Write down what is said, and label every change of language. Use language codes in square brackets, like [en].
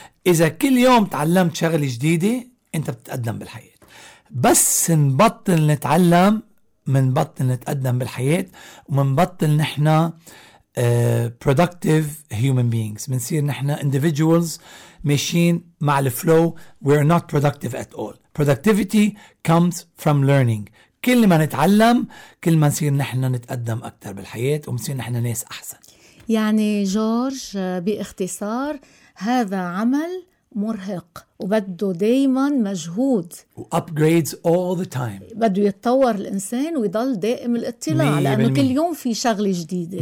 [ar] إذا كل يوم تعلمت شغلة جديدة أنت بتتقدم بالحياة. بس نبطل نتعلم منبطل نتقدم بالحياة، ومنبطل نحنا [en] productive human beings، [ar] منصير نحنا individuals ماشيين مع الفلو. [en] We are not productive at all. Productivity comes from learning. [ar] كل ما نتعلم كل ما نصير نحنا نتقدم أكتر بالحياة، ومنصير نحنا ناس أحسن. يعني جورج باختصار هذا عمل مرهق وبده دايما مجهود. [en] Upgrades all the time. [ar] بده يتطور الإنسان ويضل دائم الاطلاع، لأنه كل يوم في شغلة جديدة.